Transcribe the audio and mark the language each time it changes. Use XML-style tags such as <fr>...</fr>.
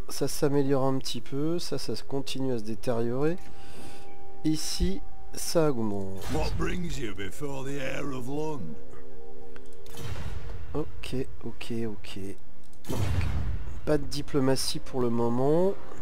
<fr>Ça s'améliore un petit peu. Ça continue à se détériorer. Ici, ça augmente.</fr> <en>What brings you before the heir of Lund?</en> <fr>Ok. Donc, pas de diplomatie pour le moment.</fr>